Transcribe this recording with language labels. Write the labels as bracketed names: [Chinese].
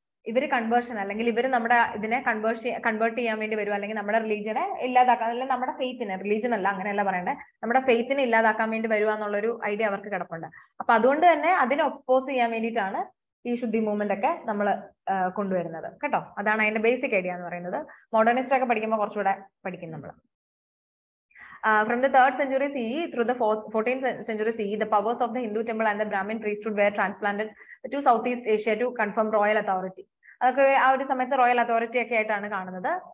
[Malayalam] ഇവര് കൺവേർഷൻ അല്ലെങ്കിൽ ഇവര് നമ്മുടെ ഇതിനെ കൺവേർട്ട് ചെയ്യാൻ വേണ്ടി വരും, അല്ലെങ്കിൽ നമ്മുടെ റിലീജിയനെ ഇല്ലാതാക്കാൻ, അല്ലെങ്കിൽ നമ്മുടെ ഫെയ്ത്തിനെ, റിലീജിയൻ അല്ല അങ്ങനെയല്ല പറയേണ്ടത്, നമ്മുടെ ഫെയ്ത്തിനെ ഇല്ലാതാക്കാൻ വേണ്ടി വരുക എന്നുള്ളൊരു ഐഡിയ അവർക്ക് കിടപ്പുണ്ട്. അപ്പൊ അതുകൊണ്ട് തന്നെ അതിനെ ഒപ്പോസ് ചെയ്യാൻ വേണ്ടിയിട്ടാണ് ഈ ശുദ്ധി മൂവ്മെന്റ് ഒക്കെ നമ്മൾ കൊണ്ടുവരുന്നത് കേട്ടോ. അതാണ് അതിന്റെ ബേസിക് ഐഡിയ എന്ന് പറയുന്നത്. മോഡേണിസ്റ്റ് ഒക്കെ പഠിക്കുമ്പോൾ കുറച്ചുകൂടെ പഠിക്കും നമ്മൾ. [English] From the 3rd century CE through the 14th century CE, the powers of the Hindu temple and the Brahmin priesthood were transplanted to Southeast Asia to confirm royal authority. [Malayalam] അതൊക്കെ ആ ഒരു സമയത്ത് റോയൽ അതോറിറ്റി ഒക്കെ ആയിട്ടാണ് കാണുന്നത്.